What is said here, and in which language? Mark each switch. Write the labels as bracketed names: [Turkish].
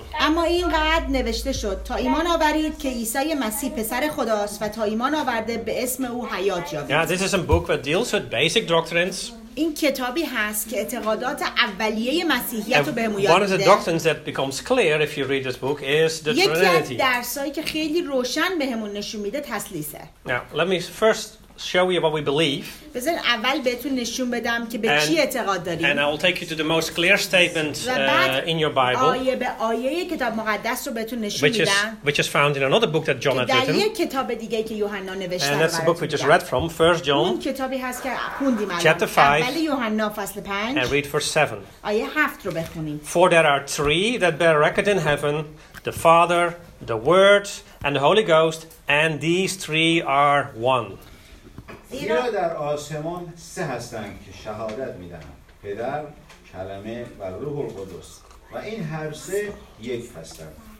[Persian] اما این قد نوشته شد تا ایمان آورید که عیسی مسیح پسر خداست و تا ایمان آورده به اسم او حیات یابید. [English] Yeah, this is a book that deals with basic doctrines. [Persian] این کتابی هست که اعتقادات اولیه مسیحیت رو بهمون یاد میده. [English] One of the doctrines that becomes clear if you read this book is the Trinity. [Persian] یکی از درسایی که خیلی روشن بهمون نشون میده تثلیثه. [English] Now, let me first show you what we believe. [Persian] بذار اول بهتون نشون بدم که به چی اعتقاد داریم. [English] And I will take you to the most clear statement in your Bible. [Persian] آیه به آیه کتاب مقدس رو بهتون نشون میدم. [English] Which is found in another book that John had written. [Persian] در یک کتاب دیگه که یوحنا نوشته. [English] And that's the book we just read from, 1 John. [Persian] اون کتابی هست که خوندیم. [English] Chapter 5. [Persian] اول یوحنا فصل 5. [English] And read verse 7. [Persian] آیه 7 رو بخونید. [English] For there are three that bear record in heaven, the Father, the Word, and the Holy Ghost, and these three are one. [Persian] زیرا در آسمان سه هستند که شهادت می‌دهند: پدر، کلمه و روح القدس، و این هر سه یک هستند.